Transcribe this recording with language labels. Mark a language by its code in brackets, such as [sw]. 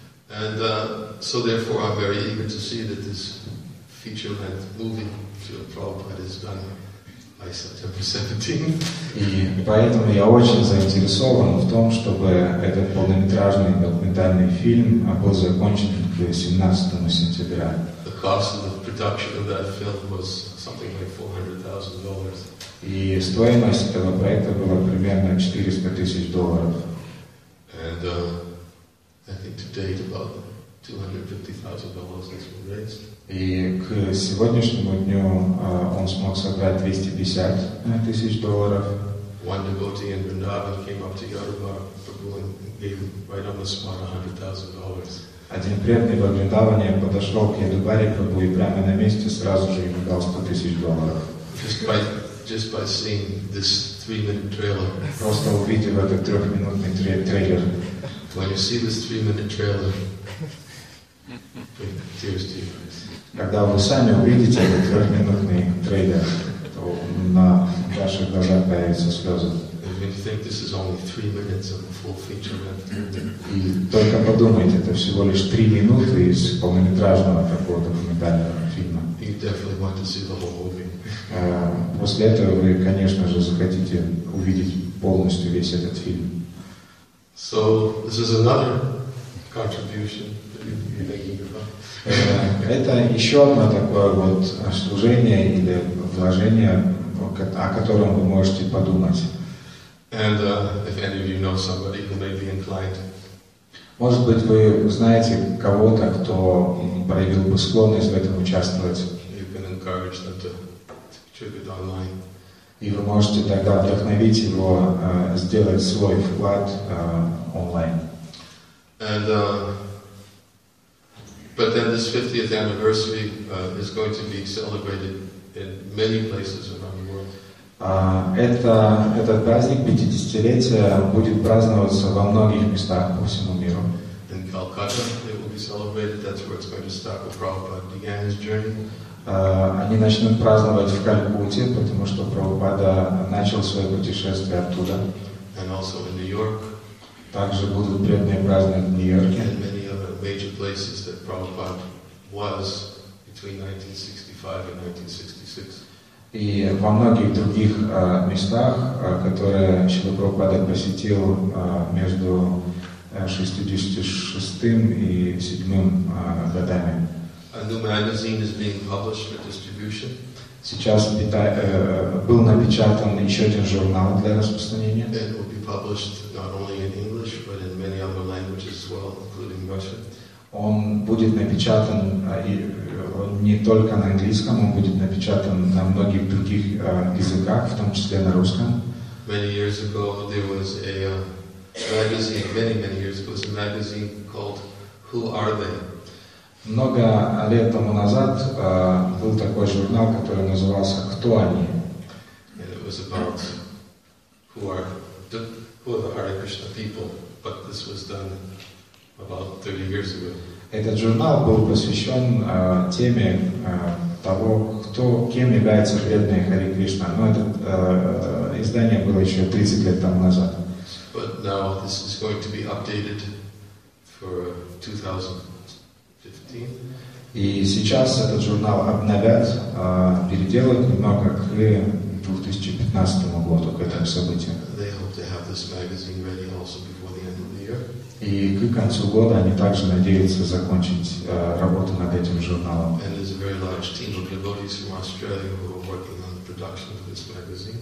[en] And so therefore I'm very eager to see that this feature-length movie Shrila Prabhupada is done by September 17th. [ru] И поэтому я очень заинтересован в том, чтобы этот полнометражный документальный фильм был закончен к 17 сентября. [en] The cost of the production of that film was something like $400,000. [ru] И стоимость этого проекта была примерно $400,000. [en] And I think to date about $250,000 has been raised. [ru] И к сегодняшнему дню он смог собрать $250,000. [en] One devotee in Vrindavan came up to Yadavar Prabhu and gave right on the spot $100,000. [ru] Один преданный во Вриндаване подошел к Ядубаре Прабху и прямо на месте сразу же ему дал $100,000. [en] Just by seeing this 3-minute trailer. [ru] Просто увидев этот 3-минутный трейлер. [en] When you see this 3-minute trailer, tears to your eyes. [ru] Когда вы сами увидите этот 3-минутный трейлер, то на ваших глазах появятся слезы. [en] You think this is only 3 minutes of a full feature length movie. [ru] Только подумайте, это всего лишь 3 минуты из полнометражного такого документального фильма. [en] You definitely want to see the whole movie. [ru] После этого вы, конечно же, захотите увидеть полностью весь этот фильм. [en] So this is another contribution that you're making about. [ru] Это еще одно такое вот служение или вложение, о котором вы можете подумать. [en] And if any of you know somebody who may be inclined. [ru] Может быть, вы знаете кого-то, кто проявил бы склонность в этом участвовать. [en] You can encourage them to contribute online. [ru] И вы можете тогда вдохновить его сделать свой вклад онлайн. [en] And but then this 50th anniversary is going to be celebrated in many places around the world. [ru] Этот праздник 50-летия будет праздноваться во многих местах по всему миру. [en] In Calcutta it will be celebrated, that's where it's going to start, where Prabhupada began his journey. [ru] Они начнут праздновать в Калькутте, потому что Прабхупада начал свое путешествие оттуда. [en] And also in New York. [ru] Также будут преданные праздновать в Нью-Йорке. [en] And many other major places that Prabhupada was between 1965 and 1966. [ru] И во многих других местах, которые Шрила Прабхупада посетил между 66-м и 7-м годами. [en] A new magazine is being published for distribution. [ru] Сейчас был напечатан еще один журнал для распространения. [en] It will be published not only in English, but in many other languages as well, including Russian. [ru] Он будет напечатан не только на английском, он будет напечатан на многих других языках, в том числе на русском. [en] Many years ago there was a magazine, many years ago, was a magazine called Who Are They? [ru] Много лет тому назад был такой журнал, который назывался «Кто они?». [en] And it was about who are the Hare Krishna people, but this was done about 30 years ago. [ru] Этот журнал был посвящен теме того, кто, кем является преданный Харе Кришна. Но это издание было еще 30 лет тому назад. [en] But now this is going to be updated for 2015. [ru] И сейчас этот журнал обновят, переделают немного к 2015 году, к этому событию. [en] They hope to have this magazine ready also before the end of the year. [ru] И к концу года они также надеются закончить работу над этим журналом. [en] And there's a very large team of devotees from Australia who are working on the production of this magazine.